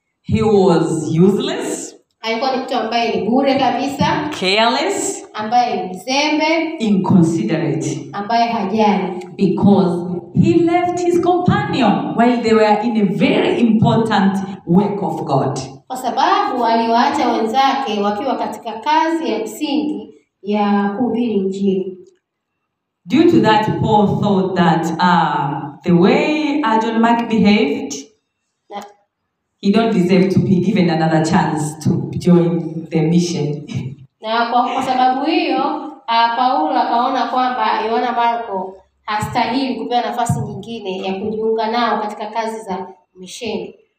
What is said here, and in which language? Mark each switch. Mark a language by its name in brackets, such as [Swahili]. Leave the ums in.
[English] He was useless. [Swahili] Alikuwa ni mtu ambaye ni bure kabisa. [English] Careless. [Swahili] Ambaye ni mzembe. [English] Inconsiderate. [Swahili] Ambaye hajali. [English] Because he left his companion while they were in a very important work of God. [Swahili] Kwa sababu aliwaacha wenzake wakiwa katika kazi ya msingi ya kuhubiri Injili. [English] due to that, Paul thought that uh, the way John Mark behaved, no. he don't deserve to be given another chance to join the mission. [Swahili] na kwa kwa sababu hiyo uh, paulo akaona kwamba yohana marco hastahili kupewa nafasi nyingine ya kujiunga nao katika kazi za misheni